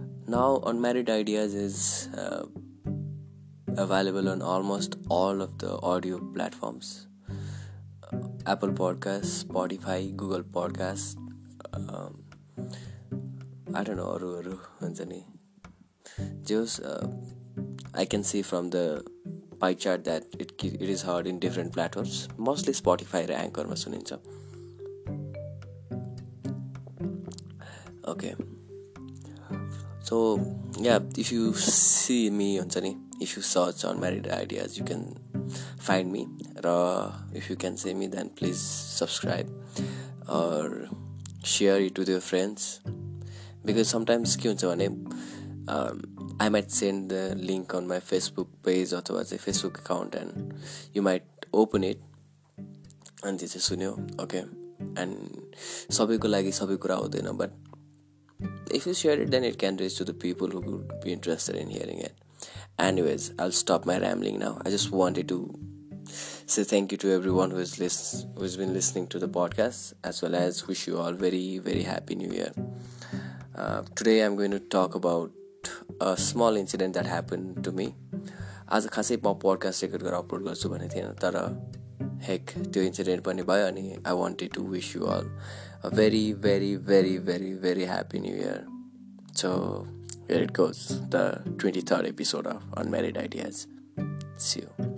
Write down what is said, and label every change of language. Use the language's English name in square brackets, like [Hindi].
[English] now Unmarried Ideas is available on almost all of the audio platforms, Apple podcast, Spotify, Google podcast, I don't know [Nepali] अरूहरू हुन्छ नि जे होस् [English] I can see from the pie chart that it is heard in different platforms, mostly Spotify [Nepali] र एङ्करमा सुनिन्छ. [English] okay, so yeah if you see me हुन्छ नि, if you search Unmarried Ideas you can find me, र if you can see me then please subscribe or share it to their friends, because sometimes [Nepali] के हुन्छ भने [English] I might send the link on my Facebook page or towards a Facebook account and you might open it and this is sunyo, okay, and [Nepali] sabhi ko lagi sabhi kura hudaina, [English] but if you share it then it can reach to the people who would be interested in hearing it. Anyways, I'll stop my rambling now. I just wanted to say thank you to everyone who has been listening to the podcast, as well as wish you all very very happy new year. Today I'm going to talk about a small incident that happened to me. [Nepali] आज खासै म podcast record गरेर upload गर्छु भनेको थिएन, तर हेक त्यो incident पनि भयो अनि [English] I wanted to wish you all a very very very very very happy new year. So here it goes, the 23rd episode of Unmarried Ideas. See you.